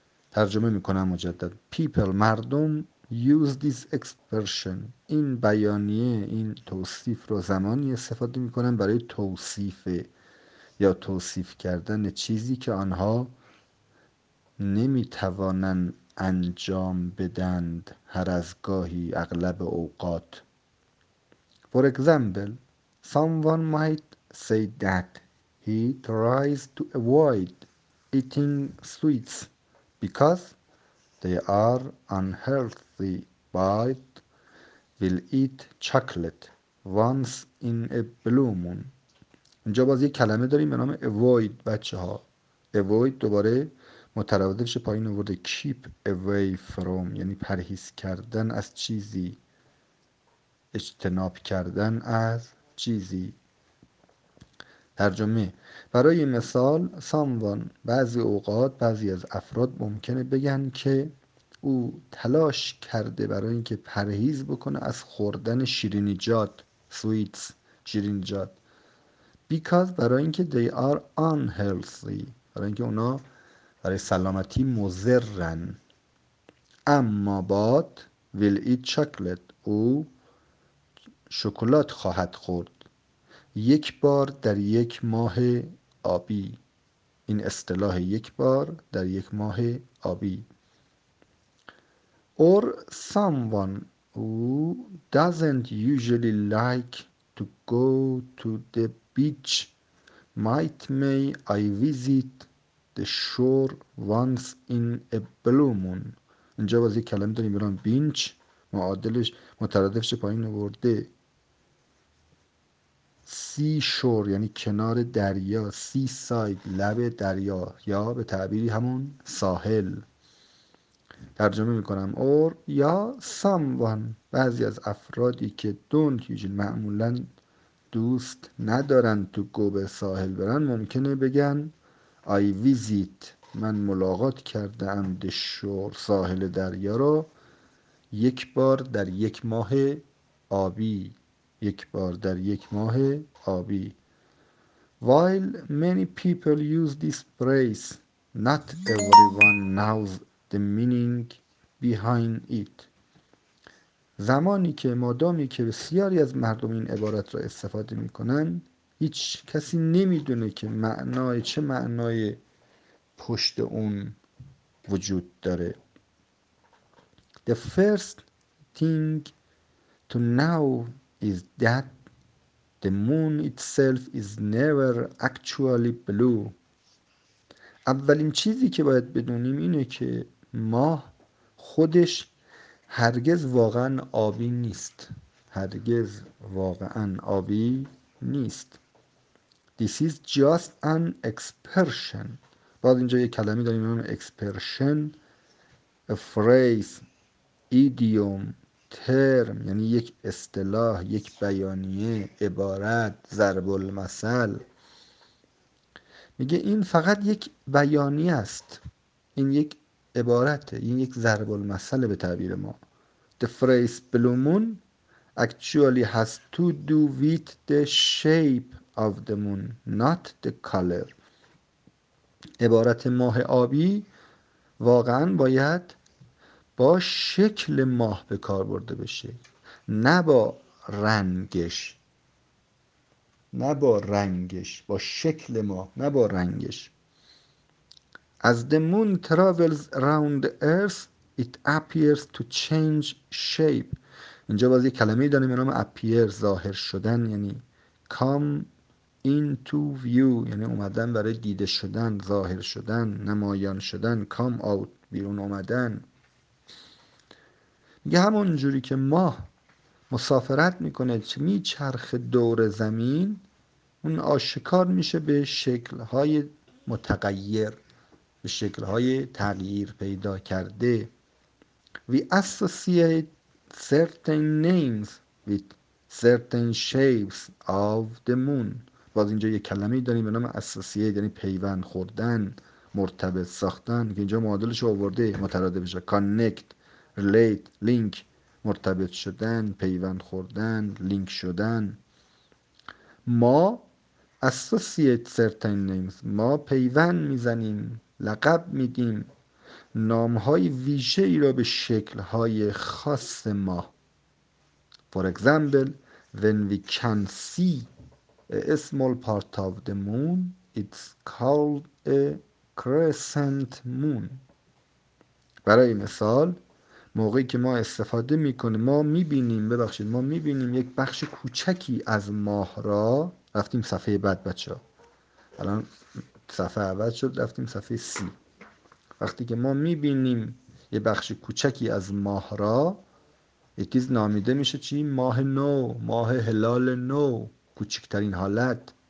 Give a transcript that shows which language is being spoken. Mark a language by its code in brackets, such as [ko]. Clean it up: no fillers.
[fa] ترجمه میکنم مجدد. [en] People، [fa] مردم، [en] use this expression، [fa] این بیانیه، این توصیف رو زمانی استفاده میکنن برای توصیف یا توصیف کردن چیزی که آنها نمیتوانند انجام بدند هر از گاهی، اغلب اوقات. [en] For example، someone might say that he tries to avoid eating sweets because they are unhealthy but will eat chocolate once in a blue moon. [fa] اینجا باز یک کلمه داریم به نام avoid. بچه ها avoid دوباره مترادفش پایین آورده، [en] keep away from، [fa] یعنی پرهیز کردن از چیزی، اجتناب کردن از چیزی. ترجمه. برای مثال [en] someone، [fa] بعضی اوقات بعضی از افراد ممکنه بگن که او تلاش کرده برای اینکه پرهیز بکنه از خوردن شیرینیجات، [en] sweets، [fa] شیرینیجات، [en] because، [fa] برای اینکه [en] they are unhealthy، [fa] برای اینکه اونا برای سلامتی مضرن. اما باد [en] will eat chocolate، [fa] او شکلات خواهد خورد، یک بار در یک ماه آبی. این اصطلاح یک بار در یک ماه آبی. [en] Or someone who doesn't usually like to go to the beach might may I visit the shore once in a blue moon. [fa] اینجا باز یک کلمه داریم بنام بینچ، معادلش مترادفش پایین آورده سی شور، یعنی کنار دریا، سی ساید، لب دریا، یا به تعبیری همون ساحل. ترجمه میکنم. اور یا [en] someone، [fa] بعضی از افرادی که [en] don't usually، [fa] معمولا دوست ندارن تو گو به ساحل برن، ممکنه بگن [en] I visit، [fa] من ملاقات کرده ام [en] the shore، [fa] ساحل دریا رو، یک بار در یک ماه آبی. یک بار در یک ماه آبی. [en] While many people use this phrase، not everyone knows the meaning behind it. [fa] زمانی که، مادامی که بسیاری از مردم این عبارت را استفاده می کنند، هیچ کسی نمیدونه که معنای، چه معنای پشت اون وجود داره. [en] The first thing to know is that the moon itself is never actually blue. [fa] اولین چیزی که باید بدونیم اینه که ماه خودش هرگز واقعا آبی نیست. هرگز واقعا آبی نیست. [en] This is just an expression. [fa] بعد اینجا یک کلمه داریم به نام expression، فریز، ایدیوم، ترم یعنی یک اصطلاح، یک بیانیه، عبارت، ضرب المثل. میگه این فقط یک بیانیه است، این یک عبارته، این یک ضرب المثل به تعبیر ما. [en] The phrase blue moon actually has to do with the shape of the moon, not the color. [fa] عبارت ماه آبی واقعا باید با شکل ماه به کار برده بشه، نه با رنگش، نه با رنگش، با شکل ماه، نه با رنگش. [en] As the moon travels around the earth, it appears to change shape. [fa] اینجا باز یک کلمه داریم به نام appear، ظاهر شدن، یعنی [en] come into view، [fa] یعنی اومدن برای دیده شدن، ظاهر شدن، نمایان شدن، [en] come out، [fa] بیرون اومدن. میگه همون جوری که ماه مسافرت میکنه، چه میچرخه دور زمین، اون آشکار میشه به شکل‌های متغیر، به شکل‌های تغییر پیدا کرده. [en] We associate certain names with certain shapes of the moon. [fa] باز اینجا یه کلمه داریم به نام associate، یعنی پیوند خوردن، مرتبط ساختن، که اینجا معادلش آورده مترادفش، connect، relate، link، مرتبط شدن، پیوند خوردن، لینک شدن. ما [en] associate certain names، [fa] ما پیوند میزنیم، لقب میدیم نامهای ویژه ای را به شکلهای خاص ما. [en] For example, when we can see a small part of the moon, it's called a crescent moon. [fa] برای مثال موقعی که ما استفاده میکنیم، ما میبینیم یک بخش کوچکی از ماه را. رفتیم صفحه بعد بچه ها، الان صفحه اول شد، رفتیم صفحه 30. وقتی که ما میبینیم یه بخش کوچکی از ماه را، یکیز نامیده میشه چی؟ ماه نو، ماه هلال نو، کوچکترین حالت.